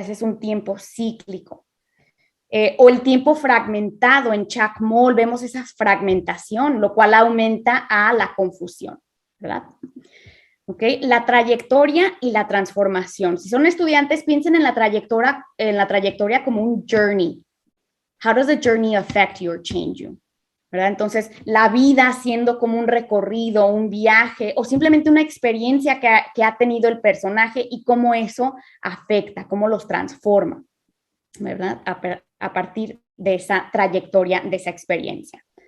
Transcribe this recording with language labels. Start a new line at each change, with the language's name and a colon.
Spanish: Ese es un tiempo cíclico. O el tiempo fragmentado en Chuck Moll, vemos esa fragmentación, lo cual aumenta a la confusión, ¿verdad? Okay. La trayectoria y la transformación. Si son estudiantes, piensen en la trayectoria como un journey.
English: How does the journey affect you or change you?
Spanish: ¿Verdad? Entonces, la vida siendo como un recorrido, un viaje, o simplemente una experiencia que ha tenido el personaje y cómo eso afecta, cómo los transforma, ¿verdad? A partir de esa trayectoria, de esa experiencia.